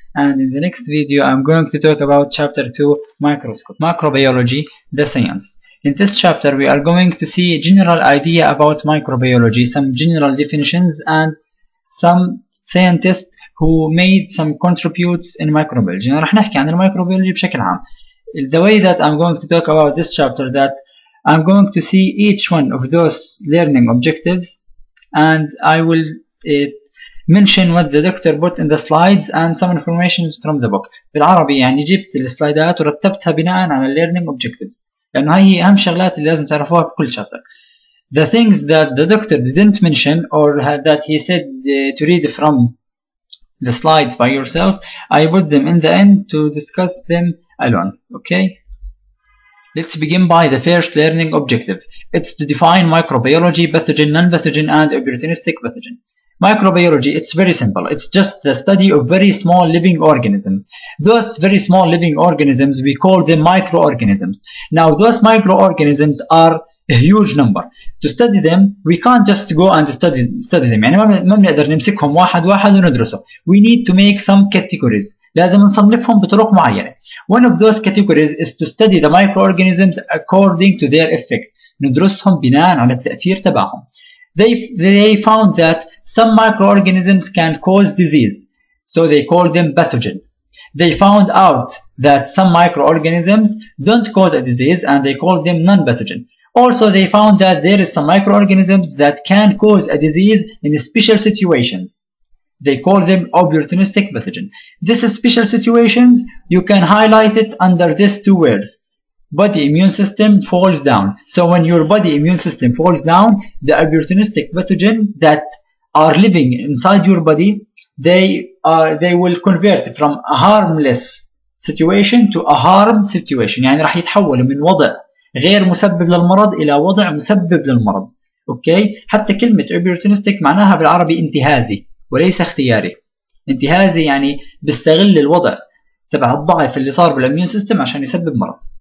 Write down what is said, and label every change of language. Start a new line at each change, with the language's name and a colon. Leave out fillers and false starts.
English: And in the next video, I'm going to talk about chapter 2, microscope, microbiology, the science. In this chapter, we are going to see a general idea about microbiology, some general definitions, and some scientists who made some contributes in microbiology.
Arabic: رح نحكي عن الميكروبيولوجي بشكل عام.
English: The way that I'm going to talk about this chapter that I'm going to see each one of those learning objectives, and I will mention what the doctor put in the slides and some information from the book.
Arabic: بالعربي يعني جبت السلايدات ورتبتها بناء على
English: learning objectives.
Arabic: لأنه هاي هي أهم شغلات اللي لازم تعرفوها بكل شابتر.
English: The things that the doctor didn't mention or that he said to read from the slides by yourself, I put them in the end to discuss them alone. Okay? Let's begin by the first learning objective. It's to define microbiology, pathogen, non-pathogen, and opportunistic pathogen. Microbiology, it's very simple. It's just the study of very small living organisms. Those very small living organisms, we call them microorganisms. Now, those microorganisms are a huge number. To study them, we can't just go and study them.
Arabic: يعني ما بنقدر نمسكهم واحد واحد وندرسه.
English: We need to make some categories.
Arabic: لازم نصنفهم بطرق معينة.
English: One of those categories is to study the microorganisms according to their effect.
Arabic: ندرسهم بناء على التأثير تبعهم.
English: They found that some microorganisms can cause disease. So they called them pathogen. They found out that some microorganisms don't cause a disease and they called them non-pathogen. Also they found that there is some microorganisms that can cause a disease in special situations. They call them opportunistic pathogen. This is special situations, you can highlight it under these two words. Body immune system falls down. So when your body immune system falls down, the opportunistic pathogen that are living inside your body, they will convert from a harmless situation to a harm situation.
Arabic: يعني راح يتحول من وضع غير مسبب للمرض إلى وضع مسبب للمرض.
English: Okay?
Arabic: حتى كلمة opportunistic معناها بالعربي انتهازي. وليس اختياري. انتهازي يعني بيستغل الوضع تبع الضعف اللي صار بالاميون سيستم عشان يسبب مرض.